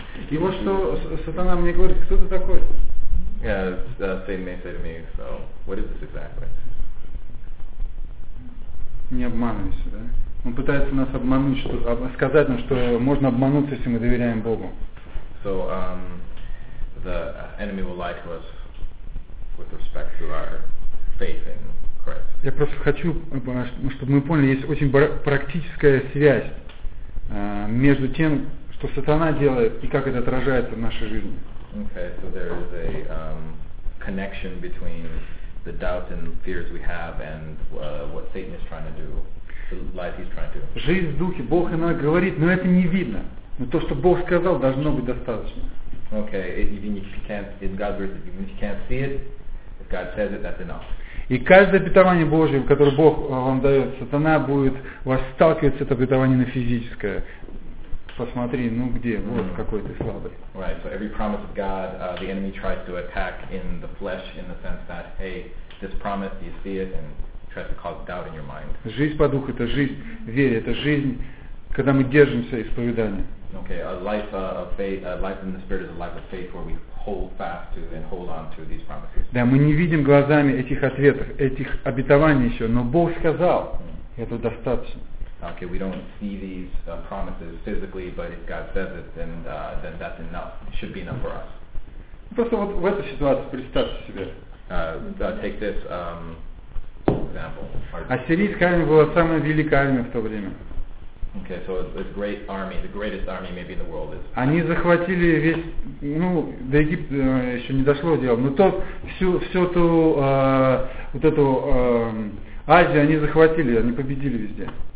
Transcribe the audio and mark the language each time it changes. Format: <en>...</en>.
<ru>И вот что сатана мне говорит, кто ты такой?</ru> <en>Yeah, Satan may say to me, so what is this exactly?</en> <ru>Не обманывайся, да? Он пытается нас обмануть, что, сказать нам, что можно обмануться, если мы доверяем Богу.</ru> <en>So the enemy will lie to us with respect to our faith in Christ.</en> <ru>Я просто хочу, чтобы мы поняли, есть очень практическая связь между тем, что сатана делает и как это отражается в нашей жизни.</ru> <en>Okay, so there is a connection between the doubts and fears we have and what Satan is trying to do, the life he's trying to do.</en> <ru>Жизнь в духе, Бог иногда говорит, но это не видно. Но то, что Бог сказал, должно быть достаточно.</ru> <en>Okay, even if you can't, in God's words, even if you can't see it, if God says it, that's enough.</en> <ru>И каждое обетование Божье, которое Бог вам дает, сатана будет вас сталкивать с это обетование на физическое. Посмотри, ну где, вот какой ты слабый.</ru> <en>Right, so every promise of God, the enemy tries to attack in the flesh, in the sense that, hey, this promise, do you see it, and tries to cause doubt in your mind.</en> <ru>Жизнь по духу — это жизнь веры, это жизнь, когда мы держимся исповедания.</ru> <en>Okay, a life of faith, a life in the spirit is a life of faith where we hold fast to and hold on to these promises.</en> <ru>Да, мы не видим глазами этих ответов, этих обетований еще, но Бог сказал, это достаточно.</ru> <en>Okay, we don't see these promises physically, but if God says it, then that's enough. It should be enough for us.</en> <ru>Просто вот в этой ситуации представьте себе.</ru> <en>Take this example.</en> <ru>Ассирийская армия была самая великая армия в то время.</ru> <en>Okay, so this great army, the greatest army maybe in the world is.</en> <ru>Они захватили весь, ну, до Египта еще не дошло дело, но тот всю ту вот эту Азию они захватили, они победили везде.</ru>